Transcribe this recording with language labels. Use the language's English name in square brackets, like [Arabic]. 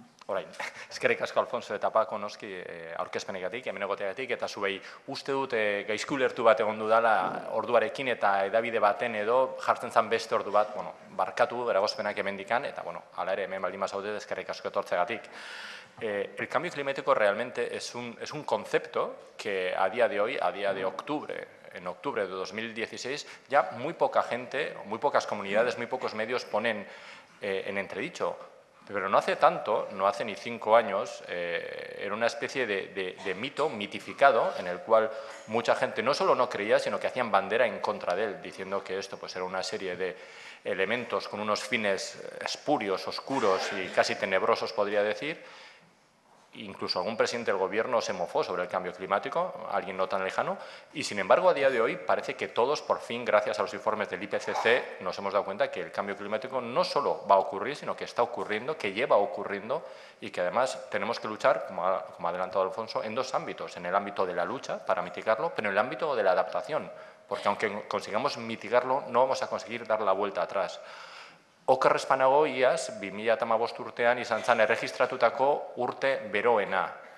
[Basque] Orain, eskerrik asko Alfonso eta Paco noski aurkezpenegatik, hemen egoteagatik, eta zubei uste dut gaizki ulertu bat egon dudala orduarekin eta edabide baten edo jartzen zan beste ordu bat, bueno, barkatu eragozpenak hemendikan eta bueno, hala ere, hemen baldin bazaude, eskerrik asko etortzeagatik. [Spanish] El cambio climático realmente es un concepto que a día de hoy, a día de octubre, en octubre de 2016, ya muy poca gente, muy pocas comunidades, muy pocos medios ponen en entredicho. Pero no hace tanto, no hace ni 5 años, era una especie de mito mitificado en el cual mucha gente no solo no creía, sino que hacían bandera en contra de él, diciendo que esto pues, era una serie de elementos con unos fines espurios, oscuros y casi tenebrosos, podría decir. Incluso algún presidente del gobierno se mofó sobre el cambio climático, alguien no tan lejano, y sin embargo a día de hoy parece que todos por fin, gracias a los informes del IPCC, nos hemos dado cuenta que el cambio climático no solo va a ocurrir, sino que está ocurriendo, que lleva ocurriendo y que además tenemos que luchar, como ha adelantado Alfonso, en dos ámbitos, en el ámbito de la lucha para mitigarlo, pero en el ámbito de la adaptación. Porque aunque consigamos mitigarlo, no vamos a conseguir dar la vuelta atrás. [Basque] Oker ez banago, iaz, 2005 urtean izan zen erregistratutako urte beroena.